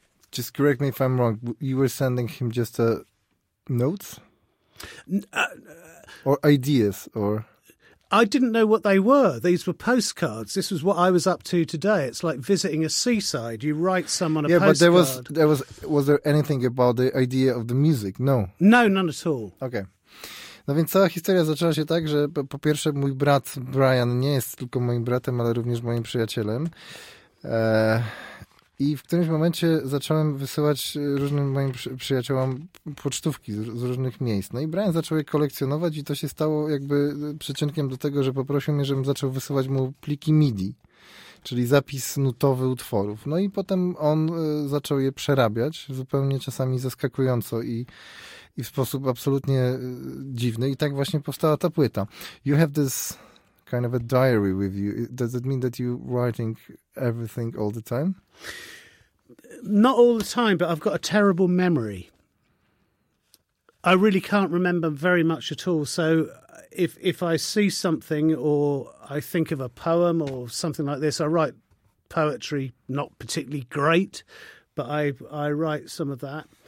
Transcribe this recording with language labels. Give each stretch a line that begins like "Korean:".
English: Just correct me if I'm wrong. You were sending him just notes? Or ideas? Or I didn't know what they were. These were postcards. This was what I was up to today. It's like visiting a seaside. You write someone a postcard. Yeah, but was there anything about the idea of the music? No. No, none at all. Okay.
Polish: No więc cała historia zaczęła się tak, że po pierwsze mój brat Brian nie jest tylko moim bratem, ale również moim przyjacielem. I w którymś momencie zacząłem wysyłać różnym moim przyjaciołom pocztówki z różnych miejsc. No i Brian zaczął je kolekcjonować i to się stało jakby przyczynkiem do tego, że poprosił mnie, żebym zaczął wysyłać mu pliki MIDI, czyli zapis nutowy utworów. No i potem on zaczął je przerabiać, zupełnie czasami zaskakująco i w sposób absolutnie dziwny. I tak właśnie powstała ta płyta.
English: You have this kind of a diary with you. Does it mean that you're writing everything all the time? Not all the time, but I've got a terrible memory. I really can't remember very much at all. So if I see something or I think of a poem or something like this, I write poetry, not particularly great, but I write some of that.